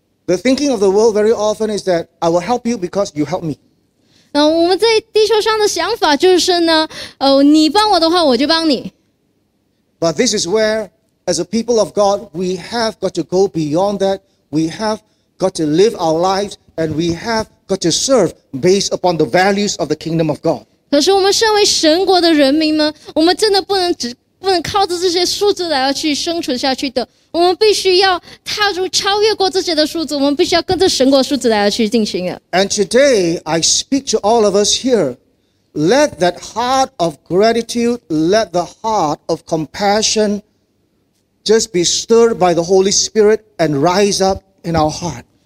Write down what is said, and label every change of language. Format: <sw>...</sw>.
<en>The thinking of the world very often is that I will help you because you help me.</en> <zh>我们在地球上的想法就是呢，你帮我的话，我就帮你。</zh> <en>But this is where, as a people of God, we have got to go beyond that. We have got to live our lives and we have got to serve based upon the values of the kingdom of God.</en> <zh>可是我们身为神国的人民们，我们真的不能靠着这些数字来去生存下去的。我们必须要踏出超越过自己的数字，我们必须要跟着神国数字来去进行。</zh> <en>And today, I speak to all of us here. Let that heart of gratitude, let the heart of compassion just be stirred by the Holy Spirit and rise up in our heart.</en>